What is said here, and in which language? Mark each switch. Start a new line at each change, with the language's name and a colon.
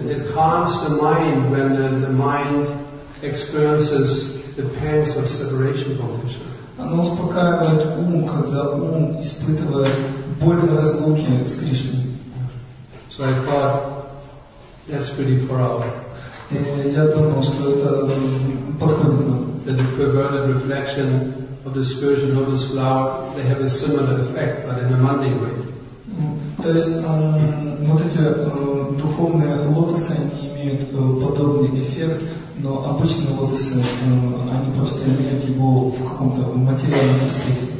English: It calms the mind when the mind experiences the pangs of separation from Krishna.
Russian: Оно успокаивает ум, когда ум испытывает боль разлуки с Кришной.
English: So I thought that's pretty far out.
Russian: Я думал, что это подходит.
English: That the perverted reflection of the spiritual lotus flower, they have a similar effect, but in a mundane way.
Russian: То есть вот эти духовные лотосы, они имеют подобный эффект, но обычные лотосы, они просто имеют его в каком-то материальном аспекте.